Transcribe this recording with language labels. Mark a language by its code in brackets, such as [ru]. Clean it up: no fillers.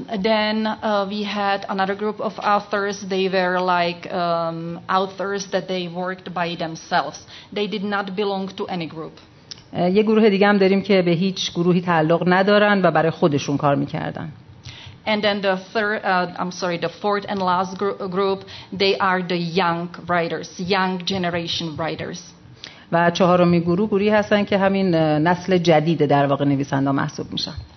[en] Then we had another group of authors. They were like authors that they worked by themselves. They did not belong to any group. [fa] یه گروه دیگه هم داریم که به هیچ گروهی تعلق ندارن و برای خودشون کار میکردن. [en] And then the third, the fourth and last group, they are the young writers, young generation writers. [fa] و چهارمی گروه گروهی هستن که همین نسل جدید در واقع نویسنده محسوب میشن.